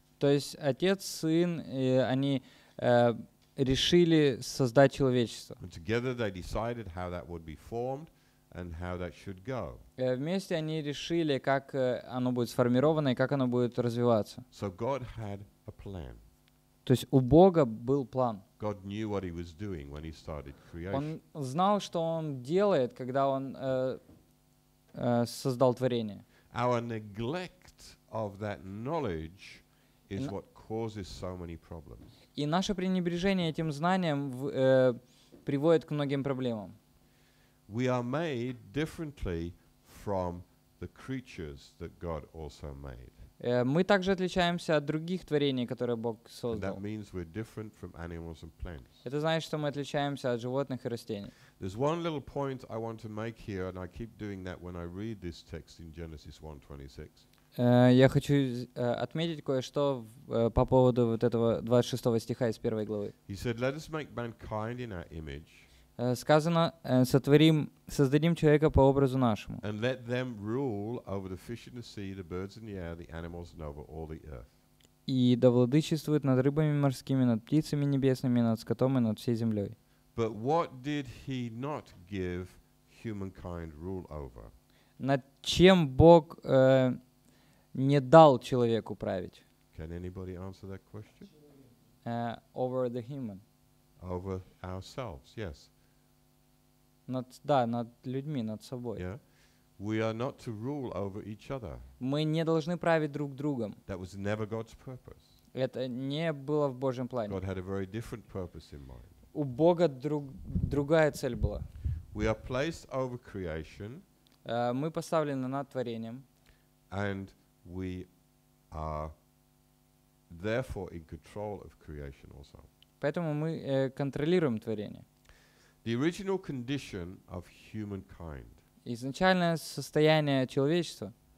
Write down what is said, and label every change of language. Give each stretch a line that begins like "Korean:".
Russian: То есть Отец, Сын, они решили создать человечество.
English: And together they decided how that would be formed. And how that should go.
Russian: Вместе они решили, как оно будет сформировано и как оно будет развиваться.
English: So God had a plan.
Russian: То есть у Бога был план.
English: God knew what he was doing when he started creation.
Russian: Он знал, что он делает, когда он создал творение.
English: Our neglect of that knowledge is what causes so many problems.
Russian: И наше пренебрежение этим знанием приводит к многим проблемам.
English: We are made differently from the creatures that God also made.
Russian: Мы также отличаемся от других творений, которые Бог создал.
English: That means we're different from animals and plants.
Russian: Это значит, что мы отличаемся от животных и растений.
English: There's one little point I want to make here, and I keep doing that when I read this text in Genesis 1:26.
Russian: Я хочу отметить кое-что по поводу вот этого 26 стиха из первой главы.
English: He said, "Let us make mankind in our image."
Russian: Сказано, сотворим, создадим человека по образу нашему.
English: And let them rule over the fish in the sea, the birds in the air, the animals, and over all the earth.
Russian: И да владычествует над рыбами морскими, над птицами небесными, над скотом и над всей землей.
English: But what did he not give humankind rule over?
Russian: Над чем Бог не дал человеку править?
English: Can anybody answer that question? Over the human. Over ourselves, yes.
Russian: Над людьми, над собой.
English: Yeah. We are not to rule over each other.
Russian: Мы не должны править друг другом.
English: That was never God's purpose.
Russian: Это не было в Божьем плане.
English: God had a very different purpose in mind.
Russian: У Бога другая цель была.
English: We are placed over creation.
Russian: Мы поставлены над творением.
English: And we are therefore in control of creation also.
Russian: Поэтому мы контролируем творение.
English: The original condition of humankind.
Russian: Изначальное состояние человечества.